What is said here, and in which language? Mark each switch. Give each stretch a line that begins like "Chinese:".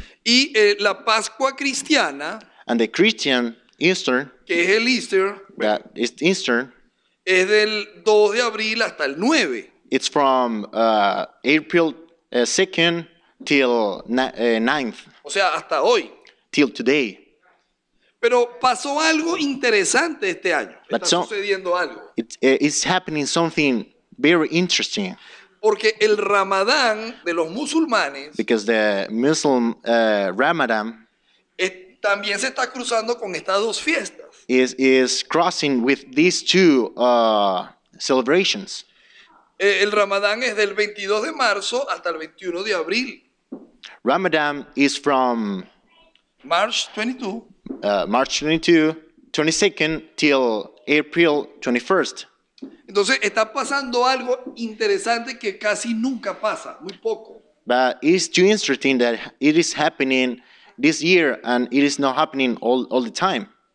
Spanish: Y la Pascua cristiana,
English: and the Christian Easter,
Spanish: que es el Easter,
English: that is Easter,
Spanish: es del 2 de abril hasta el 9.
English: It's from April 2nd till 9th.
Spanish: O sea, hasta hoy.
English: Till today.
Spanish: Pero pasó algo interesante este año. But está sucediendo algo.
English: It's happening something very interesting.
Spanish: Porque el Ramadán de los musulmanes,
English: because the Muslim Ramadan,
Spanish: también se está cruzando con estas dos fiestas.
English: Is crossing with these two celebrations.
Spanish: El Ramadán es del 22 de marzo hasta el 21 de abril.
English: Ramadan is from March 22. March 22nd till April 21st.
Spanish: Entonces está pasando algo interesante que casi nunca pasa, muy poco.
English: But it's too interesting that it is happening this year and it is not happening all the time.